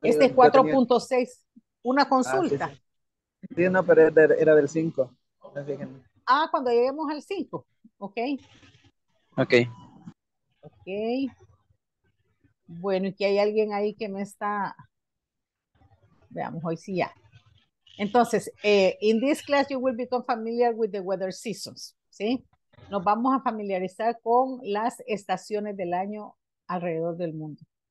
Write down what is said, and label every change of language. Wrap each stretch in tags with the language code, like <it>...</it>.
<es>este es 4.6. Una consulta. Ah, sí, sí. Sí, no, pero era del 5. Ah, cuando lleguemos al 5. Ok. Ok. Ok. Bueno, y que hay alguien ahí que me está. Veamos, hoy sí ya.</es> <en>Entonces, in this class you will become familiar with the weather seasons.</en> <es>¿Sí? Nos vamos a familiarizar con las estaciones del año alrededor del mundo.</es>